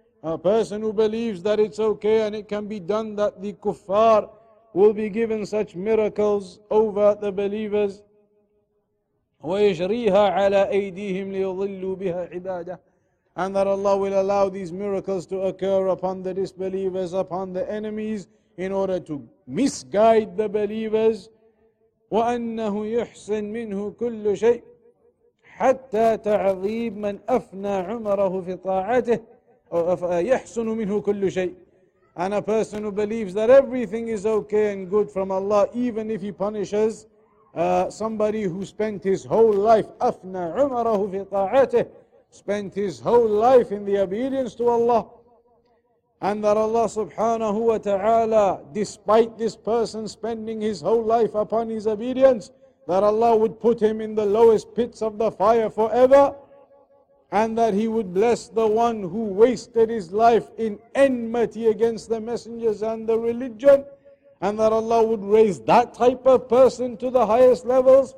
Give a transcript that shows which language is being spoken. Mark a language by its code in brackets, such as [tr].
[en] A person who believes that it's okay and it can be done that the kuffar will be given such miracles over the believers. [ar] وَيَجْرِيهَا عَلَىٰ أَيْدِيهِمْ لِيُضِلُّوا بِهَا عِبَادَهُ. [en] And that Allah will allow these miracles to occur upon the disbelievers, upon the enemies, in order to misguide the believers. [ar] وَأَنَّهُ يُحْسِنْ مِنْهُ كُلُّ شَيْءٍ حتى تعظيم من أفنى عمره في طاعته يحسن منه كل شيء. [en] And a person who believes that everything is okay and good from Allah, even if he punishes somebody who spent his whole life, [ar] أفنى عمره في طاعته, [en] spent his whole life in the obedience to Allah, and that Allah سبحانه وتعالى, despite this person spending his whole life upon his obedience, that Allah would put him in the lowest pits of the fire forever, and that he would bless the one who wasted his life in enmity against the messengers and the religion, and that Allah would raise that type of person to the highest levels.